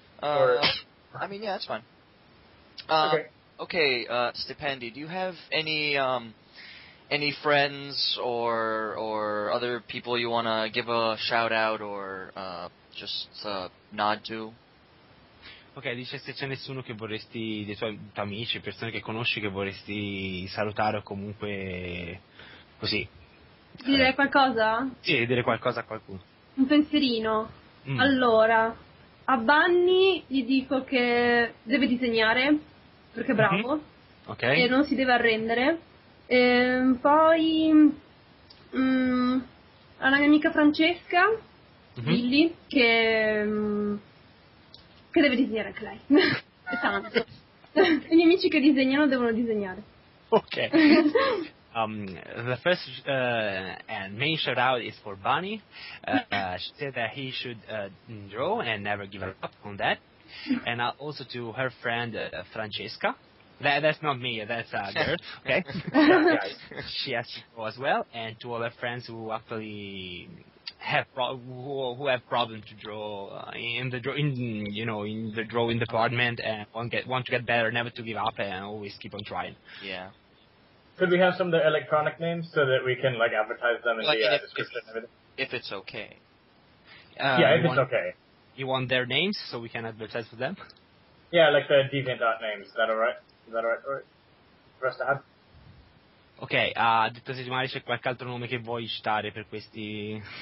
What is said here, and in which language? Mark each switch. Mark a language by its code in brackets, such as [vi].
[en] I mean, yeah, that's fine. Okay, Stipendi, do you have any friends or other people you want to give a shout out or just a nod to? [it] Okay, dice se c'è nessuno che vorresti, dei tuoi amici, persone che conosci che vorresti salutare o comunque così. Dire qualcosa? Sì, dire qualcosa a qualcuno. Un pensierino. Allora, a Bunny gli dico che deve disegnare perché è bravo. Okay. E non si deve arrendere. Poi alla mia amica Francesca Lilli che deve disegnare anche lei. E tanto. I miei amici che disegnano devono disegnare. Ok. [en] The first and main shout out is for Bunny. She said that he should draw and never give up on that. And also to her friend Francesca. That's not me, that's a girl, okay? She has to go as well, and to all her friends who actually have who have problems to draw in the drawing department and want to get better, never to give up, and always keep on trying. Yeah. Could we have some of their electronic names so that we can, like, advertise them in like, the description and everything? If it's okay. Yeah, if it's okay. You want their names so we can advertise for them? Yeah, like their DeviantArt names. Is that all right? Is that all right for us to have? [it] Ok, detto settimanale, c'è qualche altro nome che vuoi citare per questi...